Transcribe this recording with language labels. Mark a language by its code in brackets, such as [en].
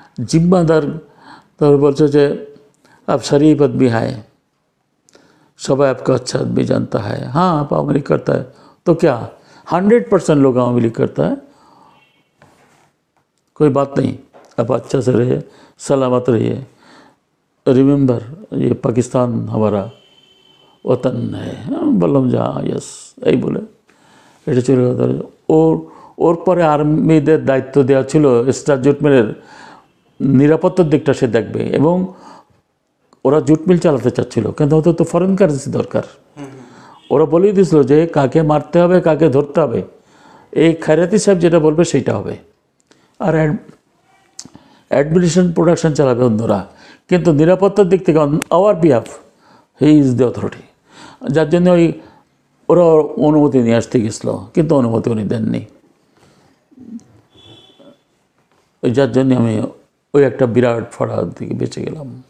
[bn] জিম্মাদার তারপর বলছে যে [hi] আপ শরীফ আদমি হায় सब आपका अच्छा भी जानता है, हाँ आप अमली करता है तो क्या 100% लोग अमली करता है, कोई बात नहीं, आप अच्छा से रहिए, सलामत रहिए, रिमेंबर ये पाकिस्तान हमारा वतन है, बल्लम जहाँ यस यही बोले [bn] এটা ছিল কথা। ওর পরে আর্মিদের দায়িত্ব দেওয়া ছিল স্টার জুটমিলের নিরাপত্তার দিকটা সে দেখবে, এবং ওরা জুটমিল চালাতে চাচ্ছিল, কিন্তু ওদের তো ফরেন কারেন্সি দরকার। ওরা বলেই দিয়েছিল যে কাকে মারতে হবে কাকে ধরতে হবে, এই খায়রাতি সাহেব যেটা বলবে সেইটা হবে, আর অ্যাডমিনিস্ট্রেশন প্রোডাকশন চালাবে অন্যরা, কিন্তু নিরাপত্তার দিক থেকে [en] our behalf he is the authority, [bn] যার জন্য ওই ওরা অনুমতি নিয়ে আসতে গেছিলো, কিন্তু অনুমতি উনি দেননি, ওই যার জন্যে আমি ওই একটা বিরাট ফড়া থেকে বেঁচে গেলাম।